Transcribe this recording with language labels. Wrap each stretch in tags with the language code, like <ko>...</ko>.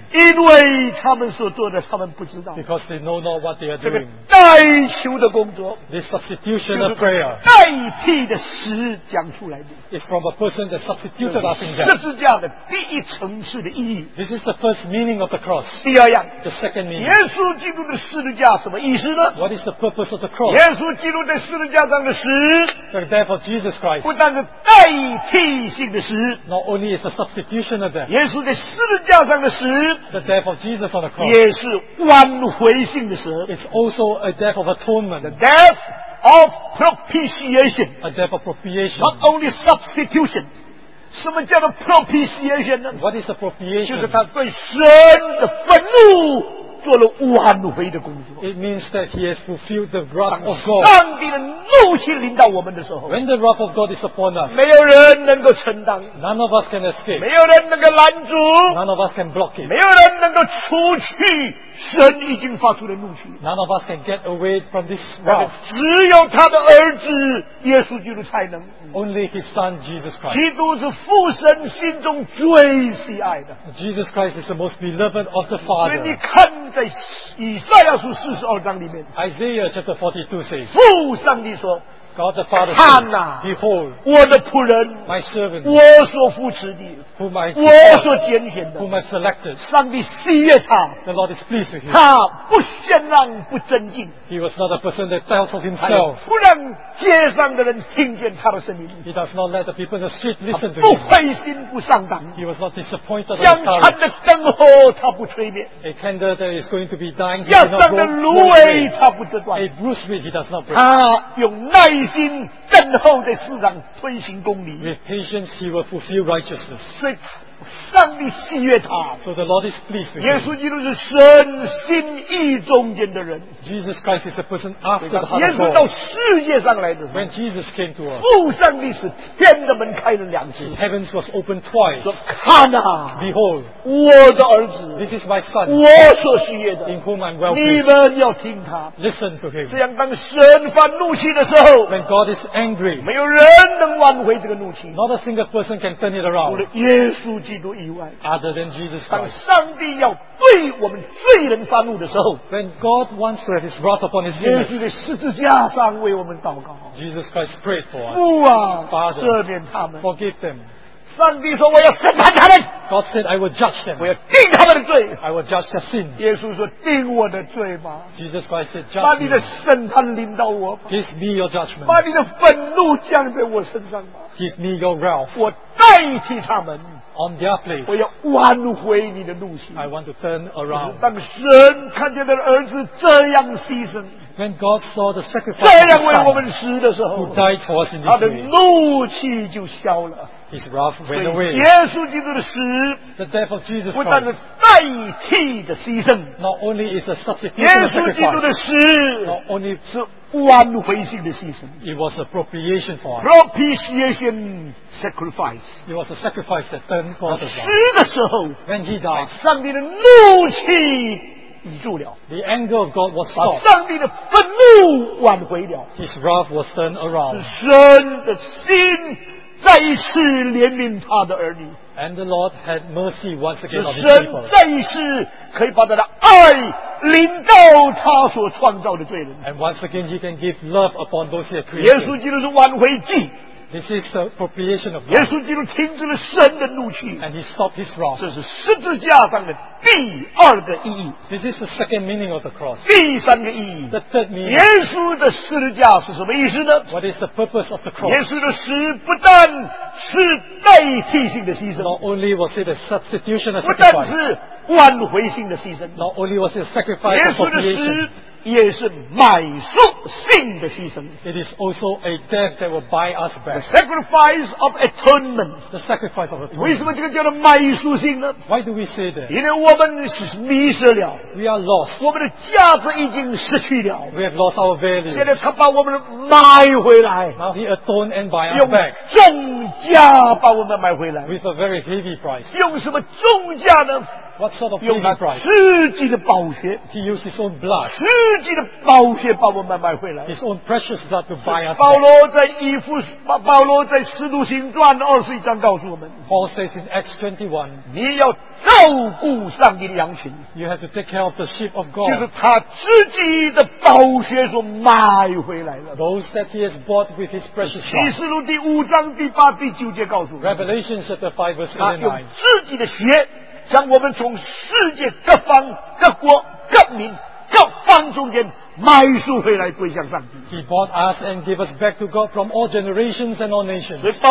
<zh>因为他们所做的他们不知道</zh> <en>Because they know not what they are doing</en> <zh>这个代求的工作</zh> <en>This was Substitution of prayer.</en> <zh>代替的死讲出来的。</zh> <en>It's from a person that substituted us in death.</en> <zh>十字架的第一层次的意义。</zh> <en>This is the first meaning of the cross.</en> <zh>第二样。</zh> <en>The second meaning.</en> <zh>耶稣基督的十字架什么意思呢？</zh> <en>What is the purpose of the cross?</en> <zh>耶稣基督在十字架上的死。</zh> <en>The death of Jesus Christ.</en> <zh>不但是代替性的死。</zh> <en>Not only is a substitution of death.</en> <zh>耶稣在十字架上的死。</zh> <en>The death of Jesus on the cross.</en> <zh>也是挽回性的死。</zh> <en>It's also a death of atonement. The death. Of propitiation. A death of propitiation. Not only substitution.</en> <zh>什么叫做 propitiation 呢?</zh> <en>What is a propitiation?</en> <zh>就是他对神的愤怒做了挽回的工作。</zh> <en>It means that he has fulfilled the wrath of God.</en> <zh>当上帝的怒气临到我们的时候。</zh> <en>When the wrath of God is upon us.</en> <zh>没有人能够承担。</zh> <en>None of us can escape.</en> <zh>没有人能够拦阻。</zh> <en>None of us can block it.</en> <zh>没有人能够除去。神已经发出了怒气。</zh> <en>None of us can get away from this wrath.</en> <zh>只有他的儿子耶稣基督才能。</zh> <en>Only his son Jesus Christ.</en> <zh>基督是父神心中最喜爱的。</zh> <en>Jesus Christ is the most beloved of the Father.</en> <zh>所以你看在以赛亚书四十二章里面。</zh> <en>Isaiah chapter 42 says.</en> <zh>父上帝说。</zh> <en>God the Father.</en> <zh>看啊。</zh> <en>Behold.</en> <zh>我的仆人。</zh> <en>My servant.</en> <zh>我所扶持的。</zh> <en>Whom I,</en> <zh>我所拣选的</zh> <en>whom I selected,</en> <zh>上帝喜悦他</zh> <en>the Lord is pleased with him,</en> <zh>他不献让不尊敬</zh> <en>he was not a person that doubts of himself,</en> <zh>不让街上的人听见他的声音</zh> <en>he does not let the people in the street listen to him,</en> <zh>不灰心不上当</zh> <en>he was not disappointed of his courage,</en> <zh>向他的灯火他不吹灭</zh> <en>a candle that is going to be dying,</en> <zh>向上的芦苇他不折断</zh> <en>a bruised reed he does not break,</en> <zh>他用耐心等候在世上推行公义</zh> <en>with patience he will fulfill righteousness,</en> <zh>上帝喜悦他</zh> <en>so the Lord is pleased with him</en> <zh>耶稣基督是神心意中间的人</zh> <en>Jesus Christ is a person after the heart of God</en> <zh>耶稣到世界上来的时候</zh> <en>when Jesus came to earth</en> <zh>父上帝是天的门开了两次</zh> <en>heavens was opened twice</en> <zh>说看啊</zh> <en>behold</en> <zh>我的儿子</zh> <en>this is my son</en> <zh>我所喜悦的</zh> <en>in whom I'm well pleased</en> <zh>你们要听他</zh> <en>listen to him</en> <zh>这样当神发怒气的时候</zh> <en>when God is angry</en> <zh>没有人能挽回这个怒气</zh> <en>not a single person can turn it around</en> <zh>除了耶稣除基督以外</zh> <en>other than Jesus Christ</en> <zh>当上帝要对我们罪人发怒的时候</zh> <en>when God wants to have his wrath upon his sinners</en> <zh>耶稣在十字架上为我们祷告</zh> <en>Jesus Christ prayed for us</en> <zh>父啊</zh> <en>Father,</en> <zh>赦免他们</zh> <en>forgive them</en> <zh>上帝说我要审判他们</zh> <en>God said I will judge them</en> <zh>我要定他们的罪</zh> <en>I will judge their sins</en> <zh>耶稣说定我的罪吧</zh> <en>Jesus Christ said judge me</en> <zh>把你的审判临到我</zh> <en>give me your judgment</en> <zh>把你的愤怒降在我身上吧</zh> <en>give me your wrath</en> <zh>我代替他们</zh> <en>On their place,</en> <zh>我要挽回你的怒气。</zh> <en>I want to turn around.</en> <zh>当神看见他的儿子这样牺牲</zh> <en>，When God saw the sacrifice,</en> <zh>这样为我们死的时候</zh> <en>，Who died for us in this way,</en> <zh>他的怒气就消了。</zh> <en>His wrath went away.</en> <zh>耶稣基督的死</zh> <en>the death of Jesus</en> <zh>Christ, 不但是代替的牺牲</zh> <en>not only is a substitute,</en> <zh>耶稣基督的死</zh> <en>not only</en> <zh>是挽回性的牺牲</zh> <en>it was a propitiation for us. Propitiation sacrifice. It was a sacrifice that turned God around.</en> <zh>死的时候</zh> <en>when he died,</en> <zh>上帝的怒气抵住了</zh> <en>the anger of God was stopped.</en> <zh>把上帝的愤怒挽回了</zh> <en>his wrath was turned around.</en> <zh>神的心再一次怜悯他的儿女</zh> <en>and the Lord had mercy once again on his people</en> <zh>神再一次可以把他的爱临到他所创造的罪人</zh> <en>and once again he can give love upon those he had created</en> <zh>耶稣基督是挽回祭</zh> <en>This is the propitiation of God.</en> <zh>耶稣基督停止了世人的怒气,</zh> <en>and he stopped his wrath.</en> <zh>这是十字架上的第二个意义,</zh> <en>this is the second meaning of the cross.</en> <zh>第三个意义,</zh> <en>the third meaning.</en> <zh>耶稣的十字架是什么意思呢?</zh> <en>What is the purpose of the cross?</en> <zh>耶稣的死不但是代替性的牺牲,</zh> <en>not only was it a substitution of sacrifice, not only was it a sacrifice of propitiation,</en> <zh>也是买赎性的牺牲.</zh> <en>It is also a death that will buy us back. The sacrifice of atonement. The sacrifice of atonement.</en> <zh>为什么这个叫做买赎性呢?</zh> <en>Why do we say that?</en> <zh>因为我们迷失了.</zh> <en>We are lost.</en> <zh>我们的价值已经失去了.</zh> <en>We have lost our values.</en> <zh>现在他把我们买回来.</zh> <en>Now he atoned and buy us back.</en> <zh>用重价把我们买回来.</zh> <en>With a very heavy price.</en> <zh>用什么重价呢?</zh> <en>What sort of human price?</en> <zh>自己的宝血,</zh> <en>he used his own blood.</en> <zh>自己的宝血把我们买回来,</zh> <en>his own precious blood to buy us.</en> <zh>保罗在使徒行传21章告诉我们,</zh> <en>Paul says in Acts 21,</en> <zh>你要照顾上帝的羊群,</zh> <en>you have to take care of the sheep of God.</en> <zh>就是他自己的宝血所买回来了,</zh> <en>those that he has bought with his precious blood.</en> <zh>启示录第5章第8第9节告诉我们,</zh> <en>Revelation chapter 5 verse 8 and 9,</en> <zh>他用自己的血, 将我们从世界各方、各国、各民、各方中间买赎回来，归向上帝。</zh> <en>He bought us and gave us back to God from all generations and all nations.</en>